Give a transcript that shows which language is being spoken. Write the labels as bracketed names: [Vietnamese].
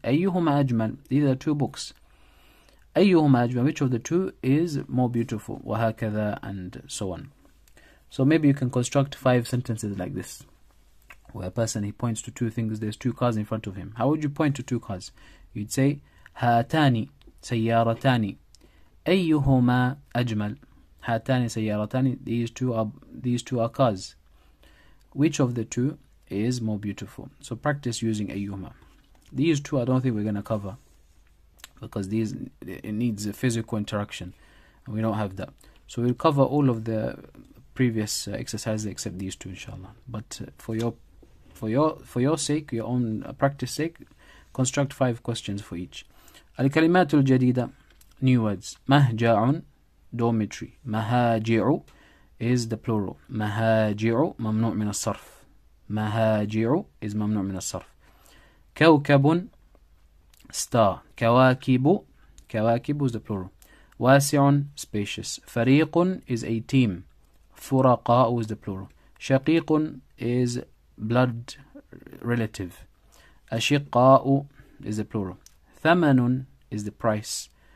[Arabic] أيهما أجمل. [English] These are two books. [Arabic] أيهما أجمل, [English] which of the two is more beautiful? [Arabic] وهكذا, [English] and so on. So maybe you can construct five sentences like this, where a person, he points to two things, there's two cars in front of him. How would you point to two cars? You'd say, [Arabic] هاتاني سيارتاني أيهما أجمل. هاتاني سيارتاني, [English] these two are cars. Which of the two is more beautiful? So practice using أيهما. These two I don't think we're going to cover, because these, it needs a physical interaction, and we don't have that. So we'll cover all of the previous exercises except these two, inshallah. But for your sake, your own practice sake, construct five questions for each. [Arabic] الكلمات الجديدة, [English] new words. مهجع, dormitory. مهاجع is the plural. [Arabic] مهاجع ممنوع من الصرف. مهاجع is ممنوع من الصرف. [English] كوكب, star. كواكب is the plural. واسع, spacious. فريق is a team. فرقاء is the plural. شقيق is blood relative. أشقاء is the plural. ثمن is the price.